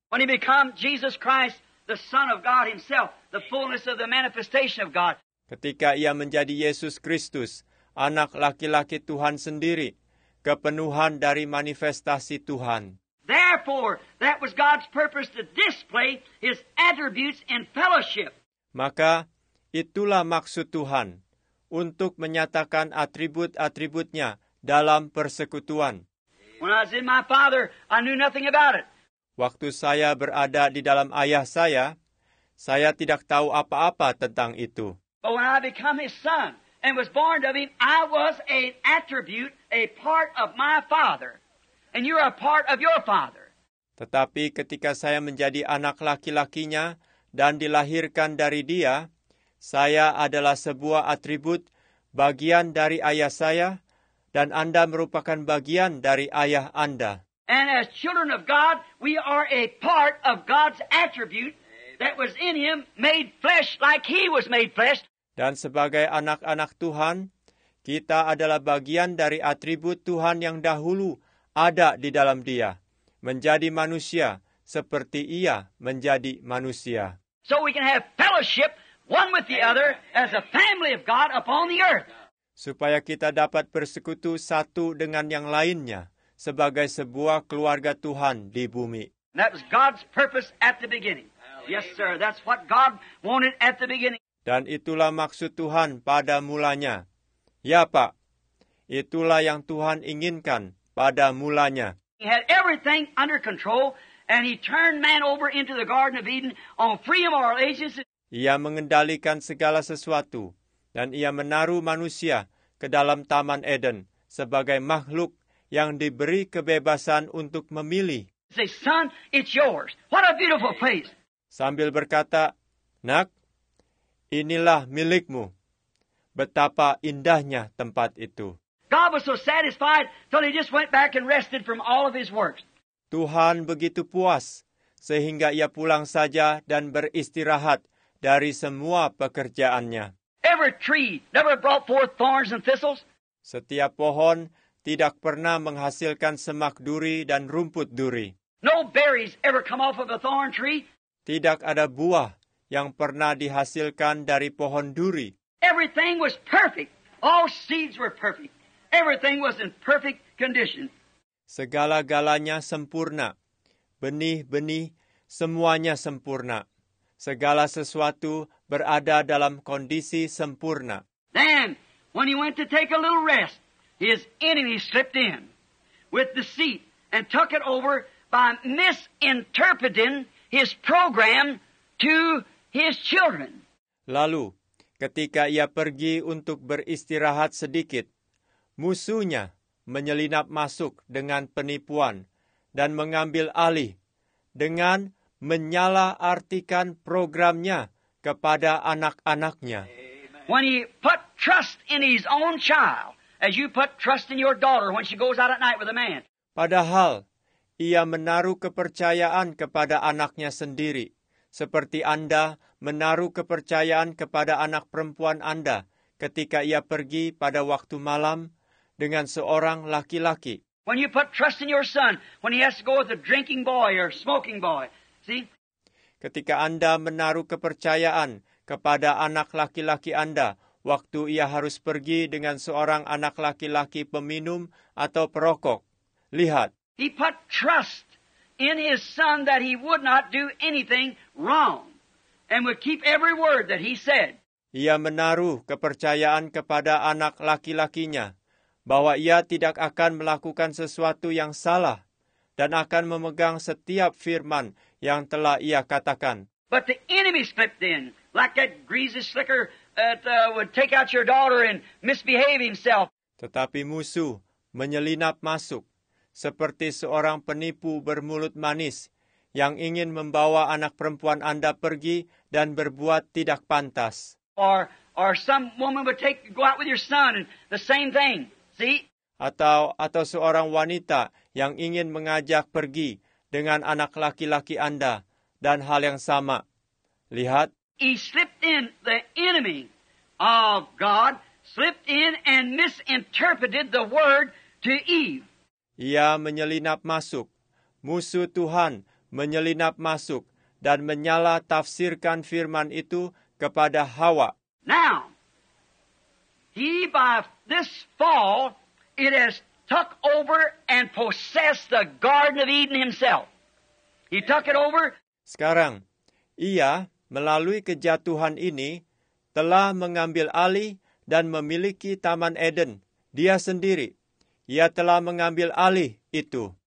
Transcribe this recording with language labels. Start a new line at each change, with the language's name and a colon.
English: When he become Jesus Christ, the Son of God himself, the fullness of the manifestation of God.
Indonesian: Ketika ia menjadi Yesus Kristus, anak laki-laki Tuhan sendiri, kepenuhan dari manifestasi Tuhan.
English: Therefore, that was God's purpose to display his attributes in fellowship.
Indonesian: Maka, itulah maksud Tuhan, untuk menyatakan atribut-atributnya dalam persekutuan.
English: When I was in my father, I knew nothing about it.
Indonesian: Waktu saya berada di dalam ayah saya tidak tahu apa-apa tentang itu.
English: But when I became his son and was born of him, I was an attribute, a part of my father. And you're a part of your father.
Indonesian: Tetapi ketika saya menjadi anak laki-lakinya dan dilahirkan dari dia, saya adalah sebuah atribut bagian dari ayah saya dan Anda merupakan bagian dari ayah Anda.
English: And as children of God, we are a part of God's attribute that was in him made flesh like he was made flesh.
Indonesian: Dan sebagai anak-anak Tuhan, kita adalah bagian dari atribut Tuhan yang dahulu ada di dalam dia, menjadi manusia seperti ia menjadi manusia.
English: So we can have fellowship one with the other as a family of God upon the earth.
Indonesian: Supaya kita dapat bersekutu satu dengan yang lainnya sebagai sebuah keluarga Tuhan di bumi.
English: That was God's purpose at the beginning. Yes, sir, that's what God wanted at the beginning.
Indonesian: Dan itulah maksud Tuhan pada mulanya. Ya, Pak. Itulah yang Tuhan inginkan pada mulanya.
English: He had everything under control and he turned man over into the Garden of Eden on free moral agency.
Indonesian: Ia mengendalikan segala sesuatu dan ia menaruh manusia ke dalam Taman Eden sebagai makhluk yang diberi kebebasan untuk memilih.
English: Say, son, it's yours. What a beautiful place.
Indonesian: Sambil berkata, "Nak, inilah milikmu." Betapa indahnya tempat itu.
English: God was so satisfied till he just went back and rested from all of his works.
Indonesian: Tuhan begitu puas sehingga ia pulang saja dan beristirahat dari semua pekerjaannya.
English: Every tree never brought forth thorns and thistles.
Indonesian: Setiap pohon tidak pernah menghasilkan semak duri dan rumput duri.
English: No berries ever come off of a thorn tree.
Indonesian: Tidak ada buah yang pernah dihasilkan dari pohon duri.
English: Everything was perfect. All seeds were perfect. Everything was in perfect condition.
Indonesian: Segala-galanya sempurna. Benih-benih semuanya sempurna. Segala sesuatu berada dalam kondisi sempurna.
English: Then, when he went to take a little rest, his enemy slipped in with deceit and took it over by misinterpreting his program to his children.
Indonesian: Lalu, ketika ia pergi untuk beristirahat sedikit, musuhnya menyelinap masuk dengan penipuan dan mengambil alih dengan menyalahartikan programnya kepada anak-anaknya.
English: When he put trust in his own child, as you put trust in your daughter when she goes out at night with a man.
Indonesian: Padahal, ia menaruh kepercayaan kepada anaknya sendiri. Seperti Anda menaruh kepercayaan kepada anak perempuan Anda ketika ia pergi pada waktu malam dengan seorang laki-laki.
English: When you put trust in your son, when he has to go with a drinking boy or smoking boy, see?
Indonesian: Ketika Anda menaruh kepercayaan kepada anak laki-laki Anda waktu ia harus pergi dengan seorang anak laki-laki peminum atau perokok, lihat.
English: He put trust in his son that he would not do anything wrong and would keep every word that he said.
Indonesian: ia menaruh kepercayaan kepada anak laki-lakinya bahwa ia tidak akan melakukan sesuatu yang salah dan akan memegang setiap firman yang telah ia katakan.
English: But the enemy slipped in, like that greasy slicker that would take out your daughter and misbehave himself.
Indonesian: Tetapi musuh menyelinap masuk, seperti seorang penipu bermulut manis yang ingin membawa anak perempuan Anda pergi dan berbuat tidak pantas.
English: Or some woman would take go out with your son and the same thing. See?
Indonesian: Atau seorang wanita yang ingin mengajak pergi dengan anak laki-laki Anda dan hal yang sama. Lihat.
English: He slipped in, the enemy of God slipped in and misinterpreted the word to Eve.
Indonesian: Ia menyelinap masuk. Musuh Tuhan menyelinap masuk dan menyalah tafsirkan firman itu kepada Hawa.
English: Now, he by this fall, it has took over and possessed the Garden of Eden himself. He took it over.
Indonesian: Sekarang, ia melalui kejatuhan ini telah mengambil alih dan memiliki Taman Eden. Dia sendiri, ia telah mengambil alih itu.